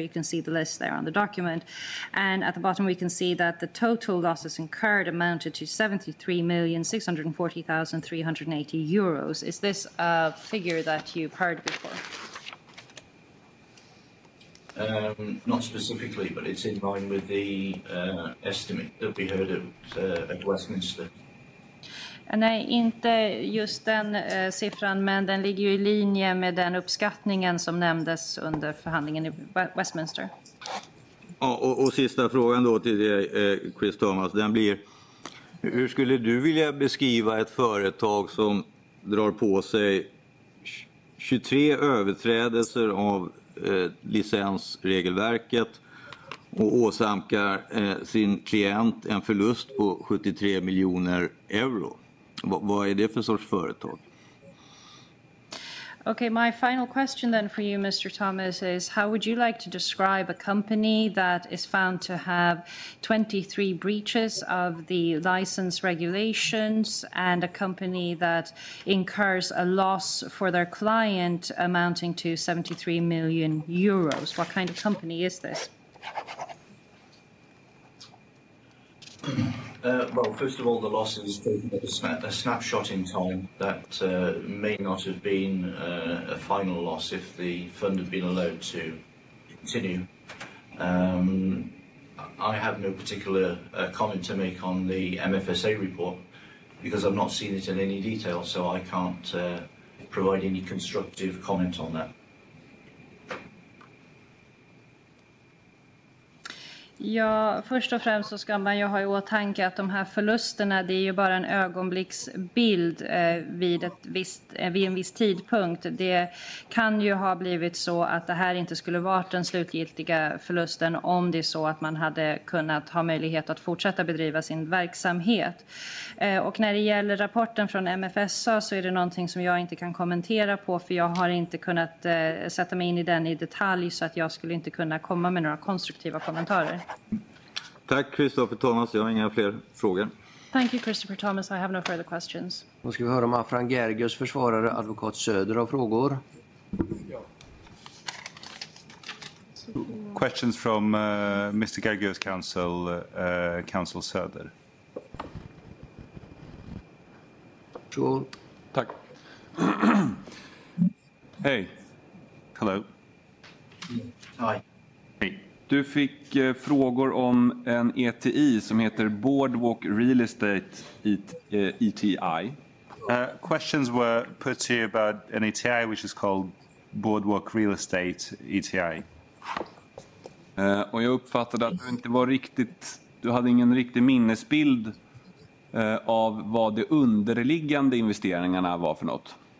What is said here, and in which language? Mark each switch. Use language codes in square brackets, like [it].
[en] You can see the list there on the document. And at the bottom, we can see that the total losses incurred amounted to 73,640,380 euros. Is this a figure that you've heard before? Not specifically, but it's in line with the estimate that we heard at Westminster. [sv] Nej, inte just den siffran, men den ligger ju i linje med den uppskattningen som nämndes under förhandlingen i Westminster. Ja, och sista frågan då till dig, Chris Thomas, den blir: hur skulle du vilja beskriva ett företag som drar på sig 23 överträdelser av licensregelverket och åsamkar sin klient en förlust på 73 miljoner euro? Vad är det för sorts företag? [en] Okay, my final question then for you, Mr. Thomas, is how would you like to describe a company that is found to have 23 breaches of the license regulations and a company that incurs a loss for their client amounting to 73 million euros? What kind of company is this? Well, first of all, the loss is a snapshot in time that may not have been a final loss if the fund had been allowed to continue. I have no particular comment to make on the MFSA report because I've not seen it in any detail, so I can't provide any constructive comment on that. [sv] Ja, först och främst så ska man ju ha i åtanke att de här förlusterna, det är ju bara en ögonblicksbild vid en viss tidpunkt. Det kan ju ha blivit så att det här inte skulle varit den slutgiltiga förlusten om det är så att man hade kunnat ha möjlighet att fortsätta bedriva sin verksamhet. Och när det gäller rapporten från MFSA så är det någonting som jag inte kan kommentera på, för jag har inte kunnat sätta mig in i den i detalj, så att jag skulle inte kunna komma med några konstruktiva kommentarer. Tack Christopher Thomas, jag har inga fler frågor. [en] Thank you Christopher Thomas, I have no further questions. [sv] Då ska vi höra om Afran Gergius, försvarare, advokat Söder, har frågor. [en] Questions from Mr. Gergius, counsel, counsel Söder. Sure. [sv] Tack. [en] Hey. Hello. Hi. [sv] Du fick frågor om en ETI som heter Boardwalk Real Estate ETI. [en] Questions were put to you about an ETI which is called Boardwalk Real Estate ETI. [sv] Och jag uppfattade att du inte var riktigt, du hade ingen riktig minnesbild av vad de underliggande investeringarna var för något.